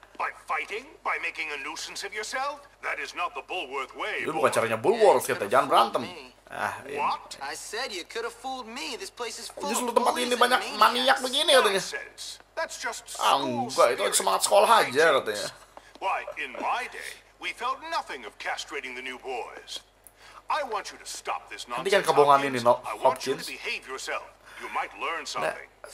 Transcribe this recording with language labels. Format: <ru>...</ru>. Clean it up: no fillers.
<en>By fighting, by making a nuisance of yourself, that is not the Bullworth way.</en> <id>Itu bukan caranya Bullworth, kita jangan berantem.</id> <en>What? I said you could have fooled me. This place is full.</en> <id>Justru tempat ini banyak maniak begini katanya.</id> <en>That's just</en> <id>enggak, itu semangat sekolah aja katanya.</id> <en>Why in my day, we felt nothing of castrating the new boys. I want you to stop this nonsense.</en> <id>Nanti kan kebohongan ini,</id> <en>no, Hopkins. Behave yourself. You might learn something.</en>